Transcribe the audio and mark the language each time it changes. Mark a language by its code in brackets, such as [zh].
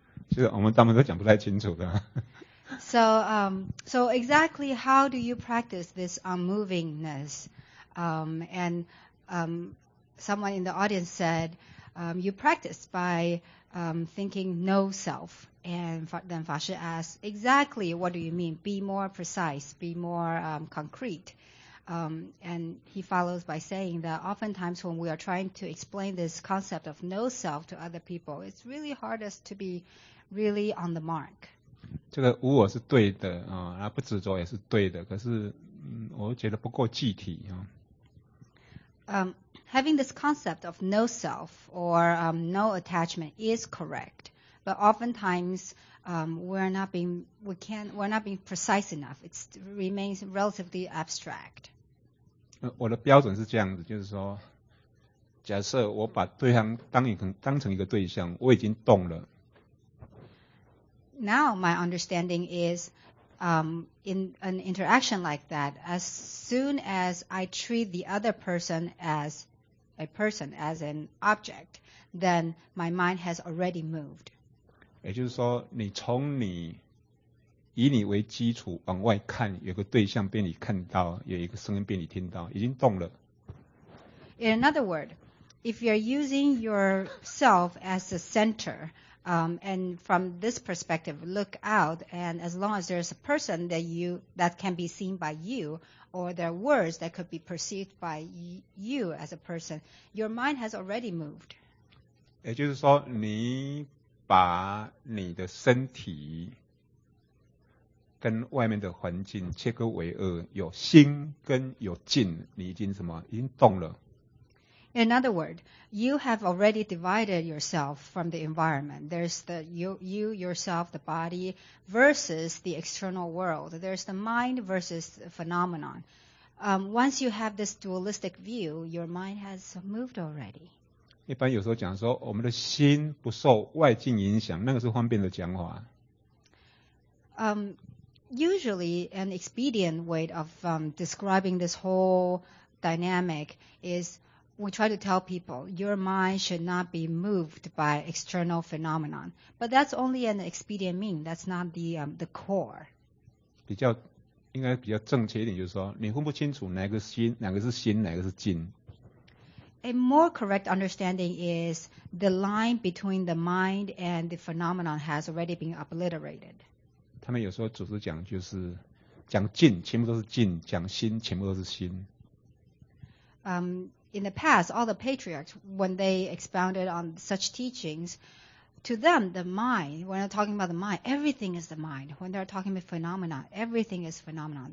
[zh] 就是我们大部分都讲不太清楚的。 [en] So exactly how do you practice this unmovingness? Someone in the audience said, you practice by thinking no self. And then Fashi asked, exactly what do you mean? Be more precise, be more concrete. And he follows by saying that oftentimes when we are trying to explain this concept of no self to other people, it's really hard us to be really on the mark. [zh] 这个无我是对的，不执着也是对的，可是我觉得不够具体。 [en] Having this concept of no self or no attachment is correct, but oftentimes we're not being precise enough. It remains relatively abstract. [zh] 我的标准是这样子，就是说，假设我把对象当成一个对象，我已经动了。 [en] Now my understanding is, in an interaction like that, as soon as I treat the other person as a person, as an object, then my mind has already moved. [zh] 也就是说，你从你以你为基础往外看，有个对象被你看到，有一个声音被你听到，已经动了。 [en] In another word, if you're using yourself as a center, and from this perspective, look out, and as long as there's a person that can be seen by you, or there are words that could be perceived by you as a person, your mind has already moved. [zh] 也就是说，你把你的身体跟外面的环境切割为二，有心跟有境，你已经什么？已经动了。 [en] In other words, you have already divided yourself from the environment. There's the you yourself, the body, versus the external world. There's the mind versus the phenomenon. Once you have this dualistic view, your mind has moved already. [zh] 一般有时候讲说，我们的心不受外境影响，那个是方便的讲法。 [en] Usually, an expedient way of describing this whole dynamic is,We try to tell people your mind should not be moved by external phenomenon, but that's only an expedient mean. That's not the core. [zh] 比较应该比较正确一点，就是说你分不清楚哪个心，哪个是心，哪个是境。 [en] A more correct understanding is the line between the mind and the phenomenon has already been obliterated. [zh] 他们有时候组织讲就是讲境全部都是境，讲心全部都是心。 [en] In the past, all the patriarchs, when they expounded on such teachings, to them, the mind, when they're talking about the mind, everything is the mind. When they're talking about phenomena, everything is phenomena.